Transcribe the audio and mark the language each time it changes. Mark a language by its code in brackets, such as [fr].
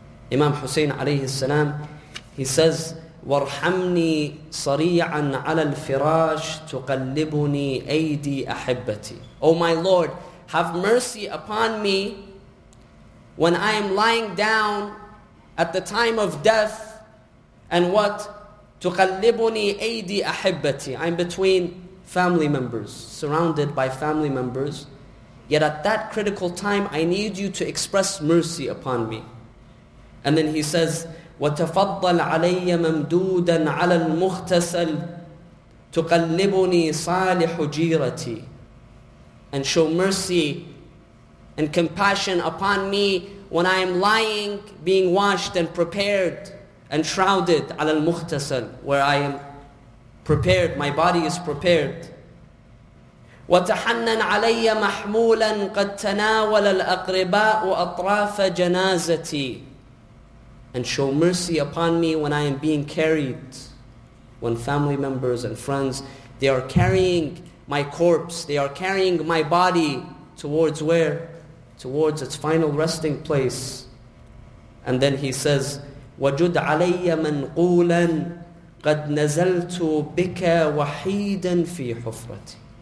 [ar] Imam Hussein alayhi salam, [en] he says, [ar] وَارْحَمْنِي صَرِيعًا عَلَى الْفِرَاجِ تُقَلِّبُنِي أَيْدِي أَحِبَّتِي. [en] O my Lord, have mercy upon me when I am lying down at the time of death. And what? [ar] تُقَلِّبُنِي أَيْدِي أَحِبَّتِي. [en] I'm between family members, surrounded by family members. Yet at that critical time, I need you to express mercy upon me. And then he says, [ar] وَتَفَضَّلْ عَلَيَّ مَمْدُودًا عَلَى الْمُخْتَسَلْ تُقَلِّبُنِي صَالِحُ جِيرَتِي. [en] And show mercy and compassion upon me when I am lying, being washed and prepared, and shrouded, [ar] على المختسل, [en] where I am prepared, my body is prepared. [ar] وتحنن علي محمولا قد تناول الأقرباء أطراف جنازتي. [en] And show mercy upon me when I am being carried, when family members and friends, they are carrying my corpse, they are carrying my body towards where? Towards its final resting place. And then he says, [ar] وَجُدْ عَلَيَّ مَنْقُولًا قَدْ نَزَلْتُ بِكَ وَحِيدًا فِي حُفْرَتِ.